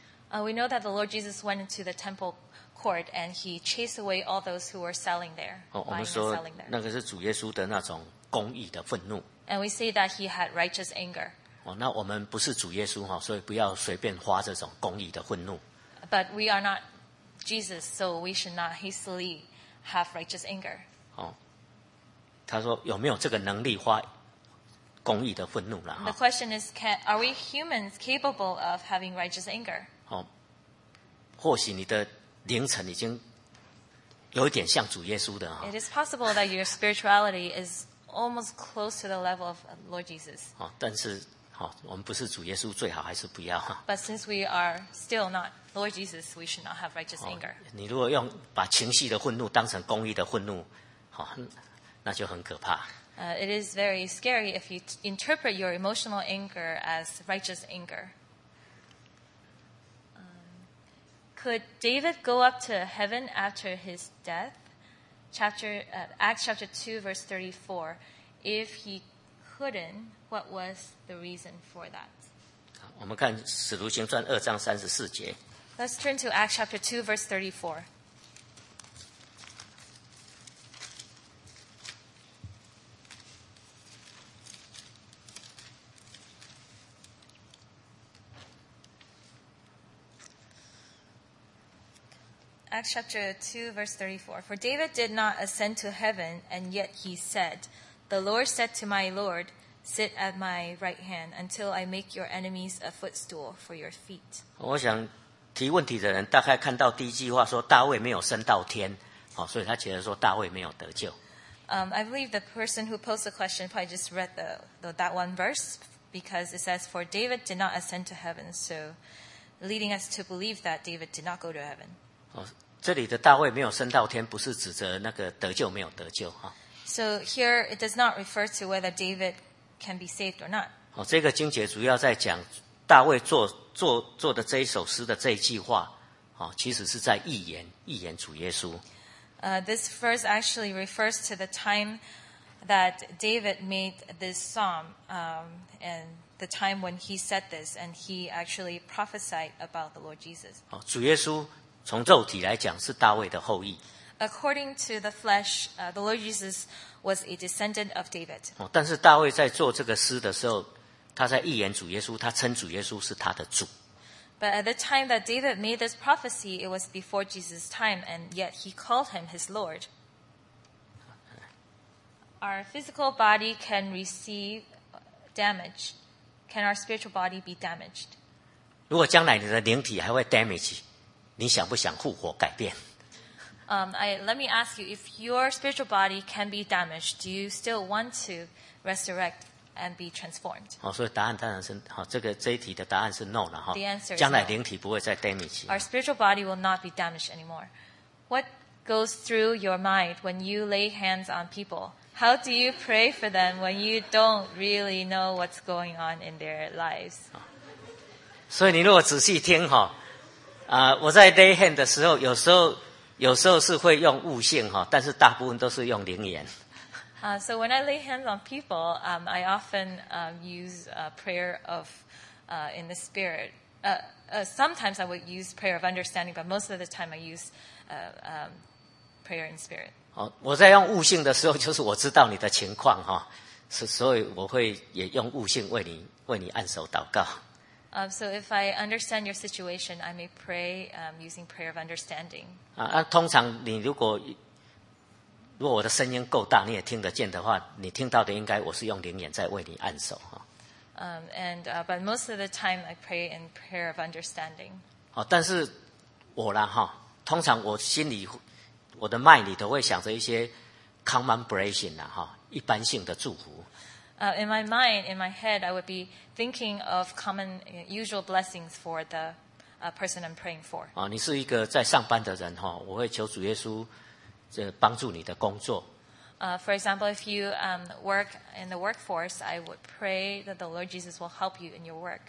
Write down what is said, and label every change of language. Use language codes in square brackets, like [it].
[en] We know that the Lord Jesus went into the temple. Court, and he chased away all those who were selling there, buying and selling there. [zh] 那个是主耶稣的那种公义的愤怒。 [en] And we say that he had righteous anger. [zh] 那我们不是主耶稣，所以不要随便发这种公义的愤怒。 [en] But we are not Jesus, so we should not hastily have righteous anger. [zh] 他说有没有这个能力发公义的愤怒了？ [en] The question is, are we humans capable of having righteous anger? [zh] 或许你的灵程已经有一点像主耶稣的。 [en] It is possible that your spirituality is almost close to the level of Lord Jesus. [zh] 但是我们不是主耶稣最好还是不要。 [en] But since we are still not Lord Jesus, we should not have righteous anger. [zh] 你如果用把情绪的愤怒当成公义的愤怒，那就很可怕。 [en] It is very scary if you interpret your emotional anger as righteous anger. Could David go up to heaven after his death? Acts chapter 2, verse 34. If he couldn't, what was the reason for that? [zh] 我们看《使徒行传》二章三十四节。 [en] Let's turn to Acts chapter 2, verse 34. Acts chapter 2, verse 34. For David did not ascend to heaven, and yet he said, The Lord said to my Lord, Sit at my right hand until I make your enemies a footstool for your feet. [zh] 我想提问题的人大概看到第一句话说大卫没有升到天，哦，所以他觉得说大卫没有得救。 [en] I believe the person who posed the question probably just read that one verse because it says, for David did not ascend to heaven, so leading us to believe that David did not go to heaven. 哦， [zh] 这里的大卫没有升到天不是指责那个得救没有得救，哦， [en] So here it does not refer to whether David can be saved or not. [zh] 哦，这个经节主要在讲大卫做的这一首诗的这一句话，哦，其实是在预言主耶稣。 [en] This verse actually refers to the time that David made this psalm, and the time when he said this, and he actually prophesied about the Lord Jesus. [zh] 哦，主耶稣从肉体来讲是大卫的后裔。 [en] According to the flesh, the Lord Jesus was a descendant of David. [zh] 哦，但是大卫在做这个诗的时候，他在预言主耶稣，他称主耶稣是他的主。 [en] But at the time that David made this prophecy, it was before Jesus' time, and yet he called him his Lord. Our physical body can receive damage. Can our spiritual body be damaged? [zh] 如果将来你的灵体还会 damage, 你想不想复活改变？ [en] Let me ask you, if your spiritual body can be damaged, do you still want to resurrect? And be transformed. [zh] 哦，所以答案当然是，哦，这一题的答案是 no 了哈。 [en] The answer is [zh] 将来灵体不会再 damage. [en] Our spiritual body will not be damaged anymore. What goes through your mind when you lay hands on people? How do you pray for them when you don't really know what's going on in their lives? [zh] 所以你如果仔细听哈，我在 [en] lay hand [zh] 的时候，有时候是会用悟性哈，但是大部分都是用灵言。 [en] So when I lay hands on people, I often use a prayer of in the spirit. Sometimes I would use prayer of understanding, but most of the time I use prayer in spirit. [zh] 哦，我在用悟性的时候，就是我知道你的情况哈，所以我会也用悟性为你按手祷告。 [en] So if I understand your situation, I may pray using prayer of understanding. [zh] 通常你如果我的声音够大，你也听得见的话，你听到的应该我是用灵眼在为你按手哈。 [en] But most of the time I pray in prayer of understanding. [zh] 哦，但是我啦哈，通常我心里我的mind里头会想着一些 [en] common blessing [zh] 啦哈，一般性的祝福。 [en] In my mind, in my head, I would be thinking of common, usual blessings for the person I'm praying for. [zh] 哦，你是一个在上班的人哈，我会求主耶稣。这帮助你的工作。 [en] For example, if you work in the workforce, I would pray that the Lord Jesus will help you in your work.